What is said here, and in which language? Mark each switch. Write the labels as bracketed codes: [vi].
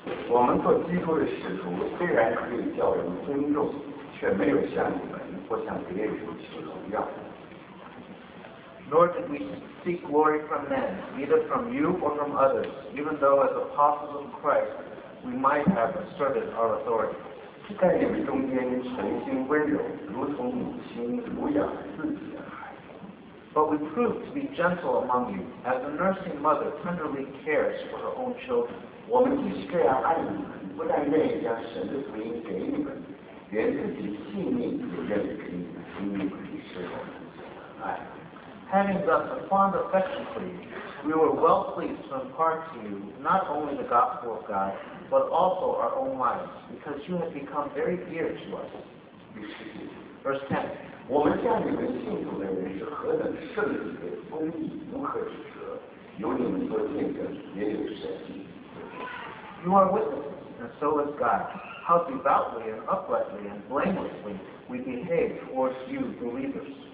[zh] 我们做基督的使徒，虽然可以叫人尊重，却没有像你们或像别人求荣耀。 [en] Nor did we seek glory from men, neither from you or from others, even though as apostles of Christ we might have asserted our authority. [zh] 在你们中间诚心温柔，如同母亲抚养自己的孩子。 [en] But we proved to be gentle among you, as a nursing mother tenderly cares for her own children. [zh] 我们既是这样爱你们，不但愿意将神的福音给你们，连自己性命也愿意给你们，因你们是我们的爱。 [en] Having thus a fond affection for you, we were well pleased to impart to you not only the gospel of God, but also our own lives, because you have become very dear to us. Verse 10. [zh] 我们向你们信主的人是何等圣洁、公义、无可指责，有你们做见证，也有神迹。 [en] You are witnesses, and so is God, how devoutly and uprightly and blamelessly we behave towards you, believers.